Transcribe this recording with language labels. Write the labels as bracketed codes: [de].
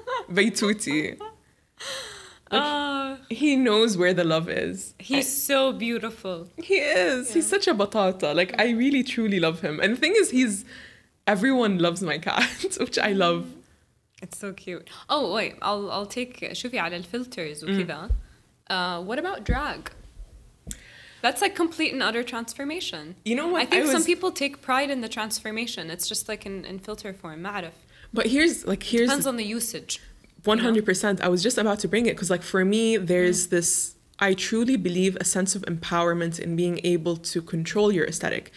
[en] Vaituti. He knows where the love is. He's so beautiful. He is. Yeah. He's such a batata. Like I really truly love him. And the thing is, everyone loves my cat, which I love. It's so cute. Oh, wait, I'll take [ar] شوفي على الفلترز وكذا. [en] What about drag? That's like complete and utter transformation. You know what? I think some people take pride in the transformation. It's just like in filter form, [ar] معرف. [en] But here's depends on the usage. 100%. You know? I was just about to bring it because like for me, there's this, I truly believe a sense of empowerment in being able to control your aesthetic.